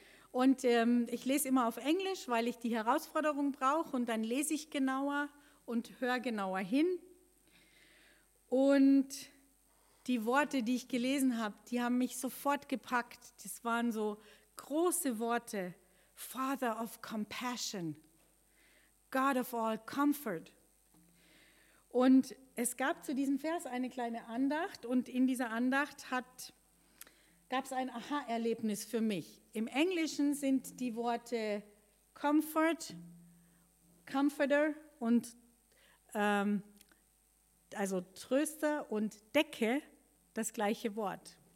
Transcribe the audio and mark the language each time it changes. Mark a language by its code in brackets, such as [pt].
[de] Und ich lese immer auf Englisch, weil ich die Herausforderung brauche und dann lese ich genauer und höre genauer hin. Und die Worte, die ich gelesen habe, die haben mich sofort gepackt. Das waren so große Worte. [en] Father of Compassion, God of all Comfort. [de] Und es gab zu diesem Vers eine kleine Andacht und in dieser Andacht gab es ein Aha-Erlebnis für mich. Im Englischen sind die Worte Comfort, Comforter und also Tröster und Decke das gleiche Wort.